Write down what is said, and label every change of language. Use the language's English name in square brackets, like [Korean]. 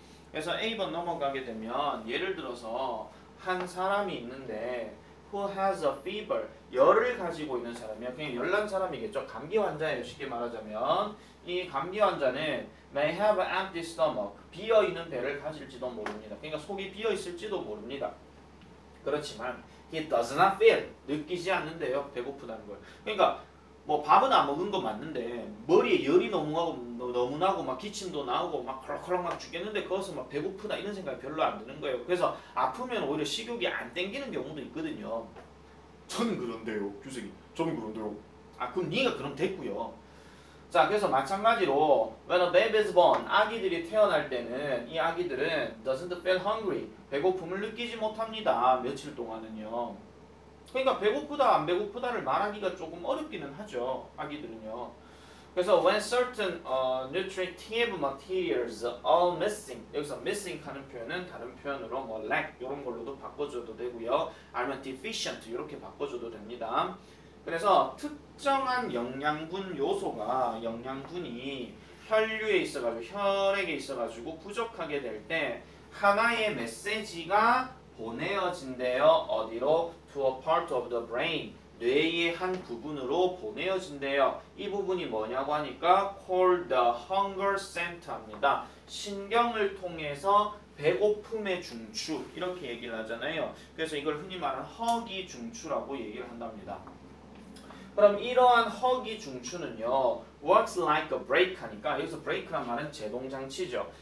[Korean] 그래서 A번 넘어가게 되면 예를 들어서 한 사람이 있는데 [English] who has a fever, [Korean] 열을 가지고 있는 사람이야. 그냥 열난 사람이겠죠. 감기 환자예요. 쉽게 말하자면 이 감기 환자는 [English] may have an empty stomach, [Korean] 비어있는 배를 가질지도 모릅니다. 그러니까 속이 비어있을지도 모릅니다. 그렇지만 [English] he does not feel, [Korean] 느끼지 않는데요. 배고프다는 걸. 그러니까 뭐 밥은 안 먹은 거 맞는데 머리에 열이 너무 나고 막 기침도 나오고 막 컬컬컬 막 죽겠는데 거기서 막 배고프다 이런 생각이 별로 안 드는 거예요. 그래서 아프면 오히려 식욕이 안 땡기는 경우도 있거든요. 저는 그런데요, 규석이. 저는 그런데요. 아, 그럼 네가 그럼 됐고요. 자, 그래서 마찬가지로 [English] when a baby is born, [Korean] 아기들이 태어날 때는 이 아기들은 [English] doesn't feel hungry, [Korean] 배고픔을 느끼지 못합니다. 며칠 동안은요. 그러니까 배고프다 안 배고프다를 말하기가 조금 어렵기는 하죠, 아기들은요. 그래서 [English] when certain nutritive materials are missing, [Korean] 여기서 missing 하는 표현은 다른 표현으로 뭐 lack 이런 걸로도 바꿔줘도 되고요. 아니면 deficient 이렇게 바꿔줘도 됩니다. 그래서 특정한 영양분 요소가, 영양분이 혈류에 있어가지고 혈액에 있어가지고 부족하게 될 때 하나의 메시지가 보내어진대요. 어디로? [English] To a part of the brain, [Korean] 뇌의 한 부분으로 보내어진대요. 이 부분이 뭐냐고 하니까 [English] called the hunger center [Korean] 입니다. 신경을 통해서 배고픔의 중추, 이렇게 얘기를 하잖아요. 그래서 이걸 흔히 말하는 허기 중추라고 얘기를 한답니다. 그럼 이러한 허기 중추는요, [English] works like a brake [Korean] 하니까, 여기서 brake란 말은 제동장치죠.